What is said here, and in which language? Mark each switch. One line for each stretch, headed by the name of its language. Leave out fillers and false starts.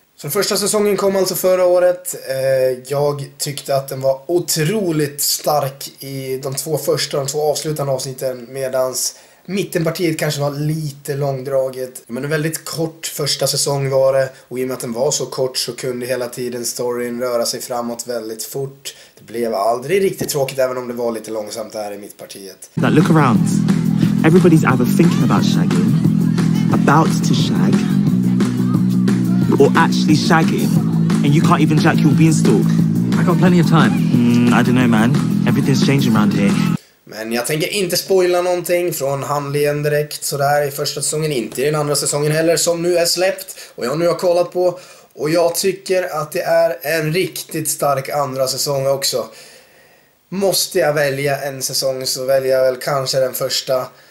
Swedish: Så den första säsongen kom alltså förra året. Jag tyckte att den var otroligt stark i de två första och de två avslutande avsnitten, medans mittenpartiet kanske var lite långdraget. Men en väldigt kort första säsong var det. Och i och med att den var så kort så kunde hela tiden storyn röra sig framåt väldigt fort. Det blev aldrig riktigt tråkigt även om det var lite långsamt där i mittpartiet.
English: Now look around. Everybody's either thinking about shagging, about to shag, or actually shagging. And you can't even jack your beanstalk. I got plenty of time. I don't know man. Everything's changing around here.
Swedish: Men jag tänker inte spoila någonting från handlingen direkt sådär i första säsongen, inte i den andra säsongen heller som nu är släppt och jag nu har kollat på. Och jag tycker att det är en riktigt stark andra säsong också. Måste jag välja en säsong så väljer jag väl kanske den första.